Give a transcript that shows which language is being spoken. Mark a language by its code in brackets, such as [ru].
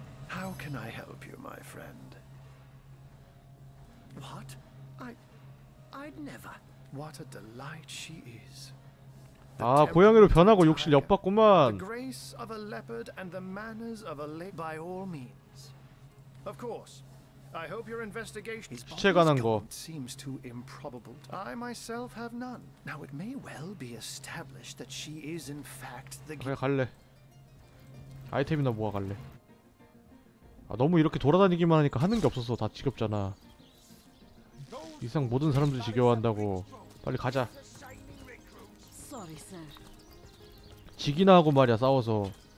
[en] How can I help you, my friend? What? I'd never. What a delight she is. [ko] 아, 고양이로 변하고 욕실 엿봤구만. [en] The grace of a leopard and the manners of a lady by all means. Of course. I hope your investigation is honest. [ko] 시체 관한 거. [en] Seems too improbable. I myself have none. Now it may well be established that she is in fact the. [ko] 그래, 갈래. 아이템이나 모아 갈래. 아, 너무 이렇게 돌아다니기만 하니까 하는 게 없어서 다 지겹잖아. 이상 모든 사람들이 지겨워한다고. 빨리 가자. 직이나 하고 말이야, 싸워서.